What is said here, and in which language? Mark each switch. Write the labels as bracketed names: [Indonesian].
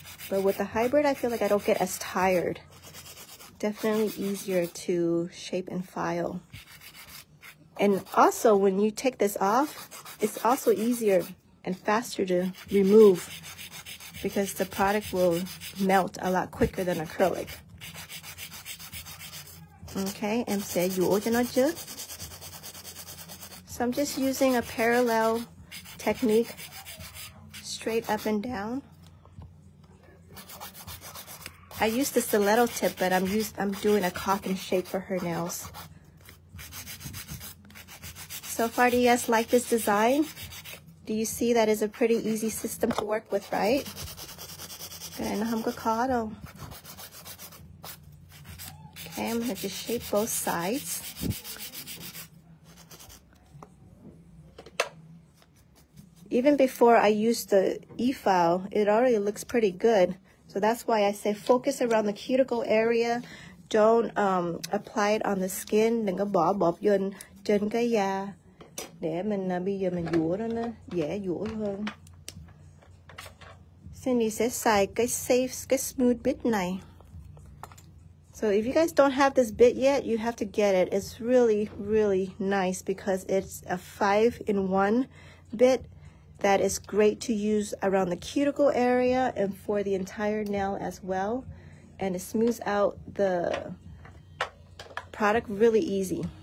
[English] But with the hybrid, I feel like I don't get as tired. Definitely easier to shape and file. And also when you take this off, it's also easier and faster to remove because the product will melt a lot quicker than acrylic. [Vietnamese] Okay, em sẽ dũa cho nó trước. [English] So I'm just using a parallel technique, straight up and down. I used the stiletto tip, but I'm doing a coffin shape for her nails. So far, do you guys like this design? Do you see that is a pretty easy system to work with, right? Okay, I'm gonna just shape both sides. Even before I used the e-file, it already looks pretty good. So that's why I say focus around the cuticle area. Don't apply it on the skin. [Vietnamese] Đừng có bỏ bọt vô trên cái da. Để mình bây giờ mình dũa nó dễ dũa hơn. Cindy sẽ xài cái safe, cái smooth bit này. [English] So if you guys don't have this bit yet, you have to get it. It's really, really nice because it's a 5-in-1 bit that is great to use around the cuticle area and for the entire nail as well. And it smooths out the product really easy.